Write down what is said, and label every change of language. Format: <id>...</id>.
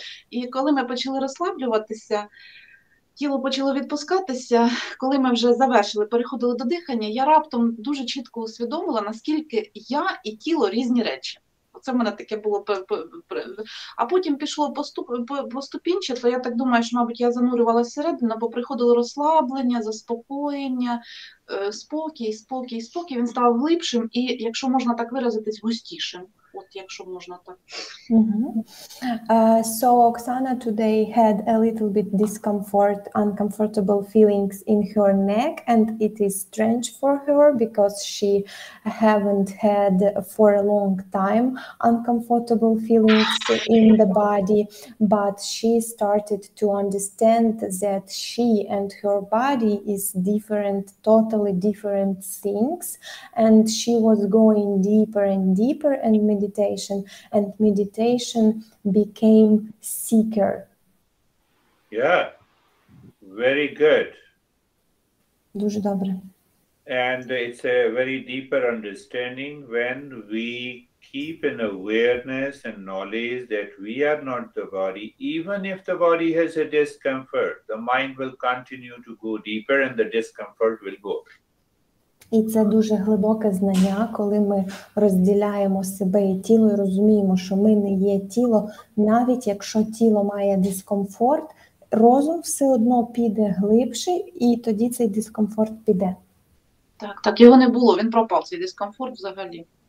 <uk>І коли ми почали розслаблюватися, тіло почало відпускатися, коли ми вже завершили, переходили до дихання, я раптом дуже чітко усвідомила, наскільки я і тіло різні речі. Оце в мене таке було. А потім пішло поступінчато, я так думаю, що, мабуть, я занурювала всередину, бо приходило розслаблення, заспокоєння, спокій. Він став глибшим і, якщо можна так виразитись, густішим.</uk> <en>So Oksana today had a little bit discomfort, uncomfortable feelings in her neck, and it is strange for her because she haven't had for a long time uncomfortable feelings in the body, but she started to understand that she and her body is different, totally different things, and she was going deeper and deeper and meditation became seeker. Yeah, very good.</en> <uk>Дуже добре.</uk> <en>And it's a very deeper understanding when we keep an awareness and knowledge that we are not the body. Even if the body has a discomfort, the mind will continue to go deeper and the discomfort will go.</en> <uk>І це дуже глибоке знання, коли ми розділяємо себе і тіло, і розуміємо, що ми не є тіло, навіть якщо тіло має дискомфорт, розум все одно піде глибше, і тоді цей дискомфорт піде. Так, так, його не було, він пропав, цей дискомфорт взагалі.</uk>